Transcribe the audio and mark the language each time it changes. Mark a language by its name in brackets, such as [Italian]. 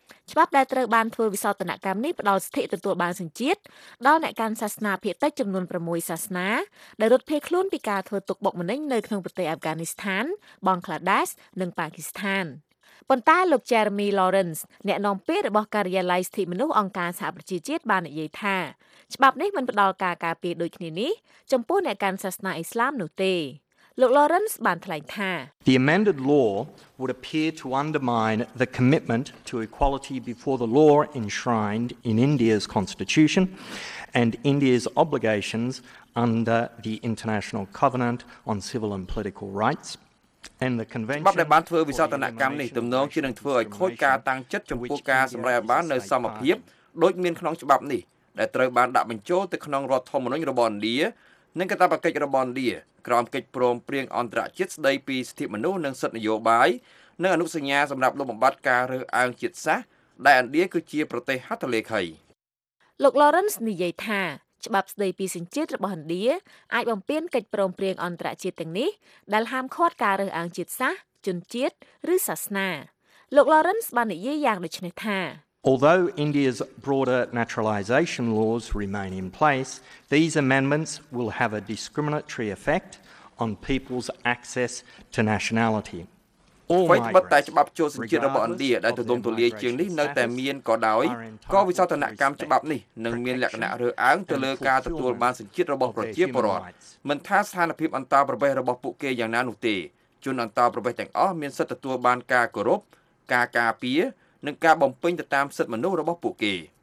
[Khmer] ច្បាប់ដែលត្រូវបានធ្វើវិសោធនកម្មនេះផ្ដល់សិទ្ធិទទួលបានសញ្ជាតិដល់អ្នកកាន់សាសនាភៀតតិចចំនួន6សាសនាដែលរត់ភៀសខ្លួនពីការធ្វើទុកបុកម្នេញនៅក្នុងប្រទេសអាហ្វហ្គានីស្ថានបង់ក្លាដេសនិងប៉ាគីស្ថានប៉ុន្តែលោក Jeremy Lawrence អ្នកនាំពាក្យរបស់ការិយាល័យសិទ្ធិមនុស្សអង្គការសហប្រជាជាតិបាននិយាយថាច្បាប់នេះមិនផ្តល់ការការពារដូចគ្នានេះចំពោះអ្នកកាន់សាសនាអ៊ីស្លាមនោះទេលោក Lawrence បានថ្លែងថា [English] The amended law would appear to undermine the commitment to equality before the law enshrined in India's constitution and India's obligations under the International Covenant on Civil and Political Rights. [Khmer] បបដែលបានធ្វើវិសោធនកម្មនេះទំនងជានឹងធ្វើឲ្យខូចការតាំងចិត្តចំពោះការសម្រេចបាននៅសមភាពដូចមានក្នុងច្បាប់នេះដែលត្រូវបានដាក់បញ្ចូលទៅក្នុងរដ្ឋធម្មនុញ្ញរបស់ឥណ្ឌានិងកាតព្វកិច្ចរបស់ឥណ្ឌាក្រោមកិច្ចព្រមព្រៀងអន្តរជាតិស្តីពីសិទ្ធិមនុស្សនិងសិទ្ធិនយោបាយនិងអនុសញ្ញាសម្រាប់លុបបំបាត់ការរើសអើងជាតិសាសន៍ដែលឥណ្ឌាគឺជាប្រទេសហត្ថលេខី លោក Lawrence និយាយថាច្បាប់ស្តីពីសញ្ជាតិរបស់ឥណ្ឌាអាចបំពានកិច្ចព្រមព្រៀងអន្តរជាតិទាំងនេះដែលហាមឃាត់ការរើសអើងជាតិសាសន៍ជនជាតិឬសាសនាលោក Lawrence បាននិយាយយ៉ាងដូចនេះថា [English] Although India's broader naturalization laws remain in place, these amendments will have a discriminatory effect on people's access to nationality. [Khmer] ហើយបើតែច្បាប់ចូលសញ្ជាតិរបស់ឥណ្ឌាដែលទទួលទលាជាងនេះនៅតែមានក៏ដោយក៏វិសោធនកម្មច្បាប់នេះនឹងមានលក្ខណៈរើសអើងទៅលើការទទួលបានសញ្ជាតិរបស់ប្រជាពលរដ្ឋមិនថាស្ថានភាពអន្តរប្រទេសរបស់ពួកគេយ៉ាងណានោះទេជនអន្តរប្រទេសទាំងអស់មានសិទ្ធិទទួលបានការគោរពការការពារនិងការបំពេញទៅតាមសិទ្ធិមនុស្សរបស់ពួកគេ